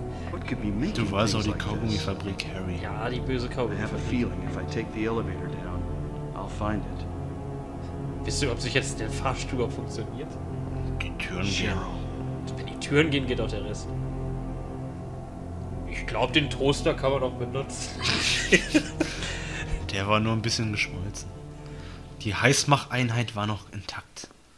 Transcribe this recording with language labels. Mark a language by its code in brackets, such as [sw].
[en] What could be making? [de] Du weißt auch die Kaugummifabrik, Harry. Ja, die böse Kaugummifabrik. [en] I have a feeling if I take the elevator down, I'll find it. [de] Wisst du, ob sich jetzt der Fahrstuhl auch funktioniert? Die Türen gehen. Wenn die Türen gehen, geht auch der Rest. Ich glaube, den Toaster kann man auch benutzen. Der war nur ein bisschen geschmolzen. Die Heißmacheinheit war noch intakt.